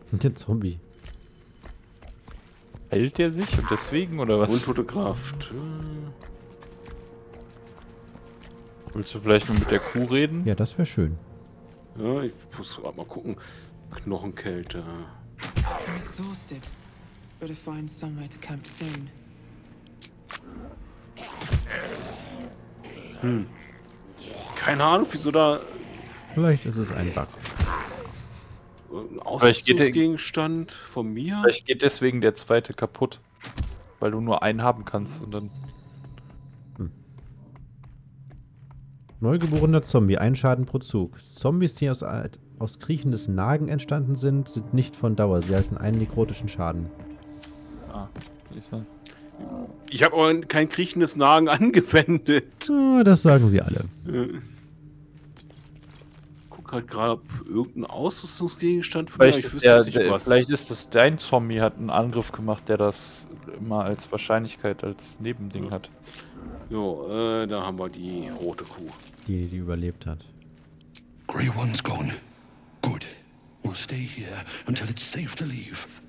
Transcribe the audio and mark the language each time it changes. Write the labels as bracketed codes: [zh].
[de] Der Zombie. Hält der sich und deswegen oder was? Untote Kraft. Willst du vielleicht mal mit der Kuh reden? Ja, das wäre schön. Ja, ich muss grad mal gucken. Knochenkälte. [en] I'm exhausted. Better find somewhere to camp soon. [de] Hm. Keine Ahnung, wieso da... Vielleicht ist es ein Bug. Ein Ausrüstungsgegenstand von mir? Vielleicht geht deswegen der zweite kaputt. Weil du nur einen haben kannst und dann... Neugeborener Zombie, ein Schaden pro Zug. Zombies, die aus kriechendes Nagen entstanden sind, sind nicht von Dauer. Sie halten einen nekrotischen Schaden. Ah, ich sag... Ich habe aber kein kriechendes Nagen angewendet. Das sagen sie alle. Ich guck halt gerade, ob irgendein Ausrüstungsgegenstand für mich ist. Vielleicht ist das dein Zombie, hat einen Angriff gemacht, der das immer als Wahrscheinlichkeit, als Nebending hat. Jo, da haben wir die rote Kuh. Die überlebt hat. [en] Grey One's gone. Good. We'll stay here until it's safe to leave.